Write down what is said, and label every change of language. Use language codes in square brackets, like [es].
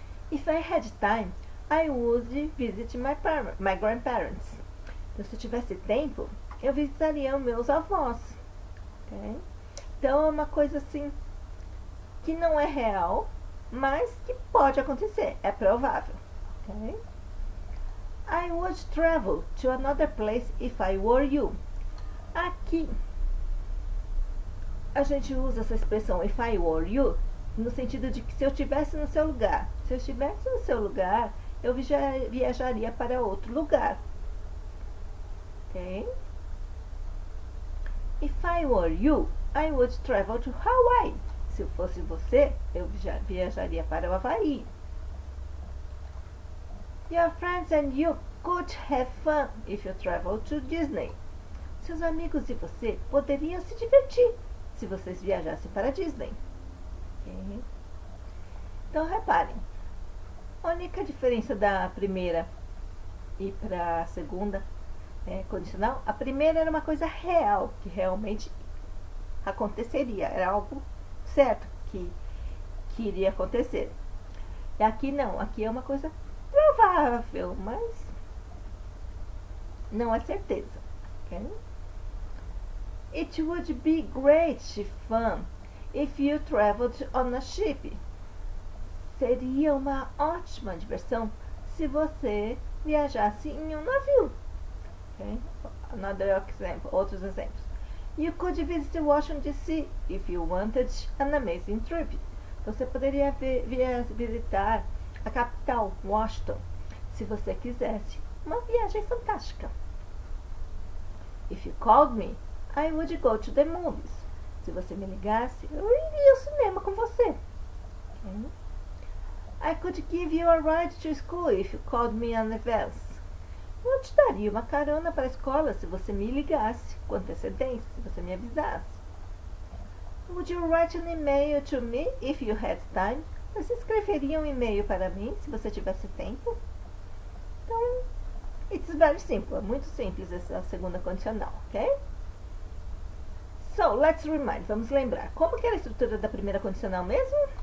[en] If I had time, I would visit my grandparents. [pt] Então, se eu tivesse tempo, eu visitaria meus avós. Okay? Então, é uma coisa assim, que não é real, mas que pode acontecer, é provável. Okay? [en] I would travel to another place if I were you. [pt] Aqui, a gente usa essa expressão [en] if I were you, [pt] no sentido de que se eu estivesse no seu lugar, se eu estivesse no seu lugar, eu viajaria para outro lugar. Ok? [en] If I were you, I would travel to Hawaii. [pt] Se eu fosse você, eu viajaria para o Havaí. [en] Your friends and you could have fun if you travel to Disney. [pt] Seus amigos e você poderiam se divertir se vocês viajassem para Disney. Okay. Então, reparem. A única diferença da primeira e para a segunda condicional, a primeira era uma coisa real, que realmente aconteceria. Era algo certo que iria acontecer. E aqui não. Aqui é uma coisa provável, mas não é certeza. Okay? [en] It would be great fun if you traveled on a ship. [pt] Seria uma ótima diversão se você viajasse em um navio. [en] Okay? Another example, [pt] outros exemplos. [en] You could visit Washington DC if you wanted an amazing trip. [pt] Você poderia visitar a capital, Washington, se você quisesse uma viagem fantástica. [en] If you called me, I would go to the movies. [pt] Se você me ligasse, eu iria ao cinema com você. [en] Okay? I could give you a ride to school if you called me in advance. [pt] Eu te daria uma carona para a escola se você me ligasse com antecedência, se você me avisasse. [en] Would you write an email to me if you had time? [pt] Você escreveria um e-mail para mim se você tivesse tempo? Então, [en] it's very simple. [pt] É muito simples essa segunda condicional, ok? [en] So, let's remind, [pt] vamos lembrar. Como que era a estrutura da primeira condicional mesmo?